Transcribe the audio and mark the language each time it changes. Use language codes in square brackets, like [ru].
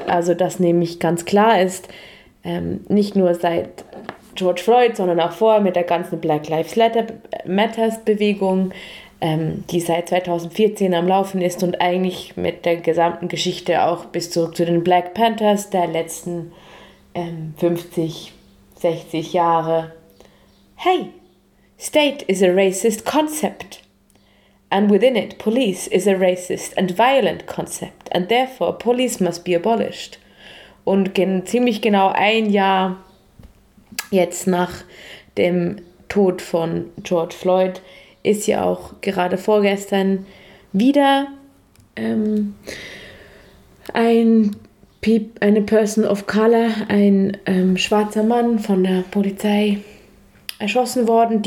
[de] Also, dass nämlich ganz klar ist, nicht nur seit George Floyd, sondern auch vorher mit der ganzen Black Lives Matters-Bewegung, die seit 2014 am Laufen ist und eigentlich mit der gesamten Geschichte auch bis zurück zu den Black Panthers der letzten 50, 60 Jahre. [en] Hey, state is a racist concept. And within it, police is a racist and violent concept. And therefore, police must be abolished. [de] Und ziemlich genau ein Jahr jetzt nach dem Tod von George Floyd ist ja auch gerade vorgestern wieder eine Person of Color, ein schwarzer Mann von der Polizei erschossen worden.